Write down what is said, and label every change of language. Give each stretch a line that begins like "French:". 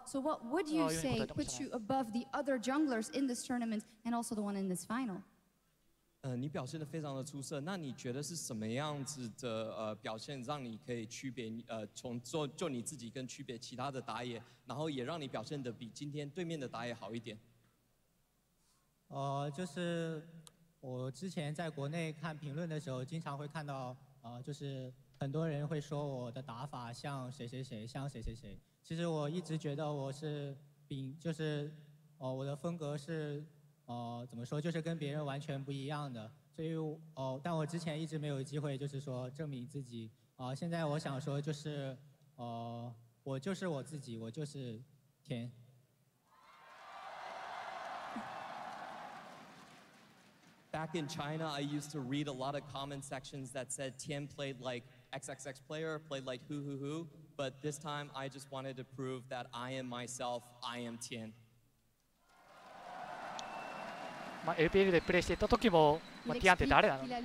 English: So what would you say put you above the other junglers in this tournament and also the one in this final?
Chinese: 你表现得非常的出色，那你觉得是什么样子的表现让你可以区别从就你自己跟区别其他的打野，然后也让你表现得比今天对面的打野好一点？就是我之前在国内看评论的时候经常会看到就是很多人会说我的打法像谁谁谁像谁谁谁，其实我一直觉得我是就是我的风格是怎么说，就是跟别人完全不一样的，所以但我之前一直没有机会就是说证明自己现在我想说就是我就是我自己，我就是天。
English: Back in China, I used to read a lot of comment sections that said Tien played like XXX player, played like who who who, but this time I just wanted to prove that I am myself, I am Tien.
Japanese: まあ、LPL でプレイしていた時も、まあ、ティアンって誰なの？